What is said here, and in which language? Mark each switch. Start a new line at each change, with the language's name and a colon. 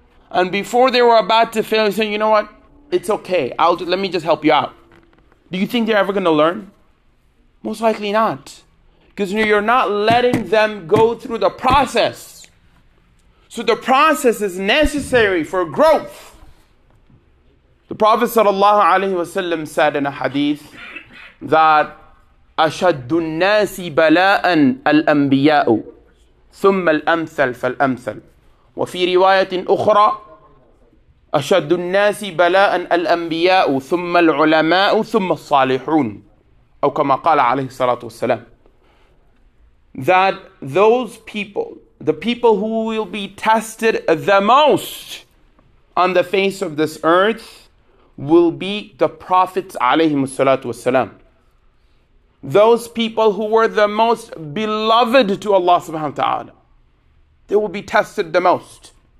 English: And before they were about to fail, you said, you know what? It's okay. Let me just help you out. Do you think they're ever going to learn? Most likely not. Because you're not letting them go through the process. So the process is necessary for growth. The Prophet sallallahu alaihi wasallam said in a hadith that
Arabic: أشد الناس بلاء الأنبياء ثم الأمثل فالأمثل وفي رواية أخرى أشد الناس بلاء الأنبياء ثم العلماء ثم الصالحون أو كما قال عليه الصلاة والسلام.
English: That those people, the people who will be tested the most on the face of this earth, will be the prophets alayhim salatu wasalam. Those people who were the most beloved to Allah subhanahu wa ta'ala, they will be tested the most.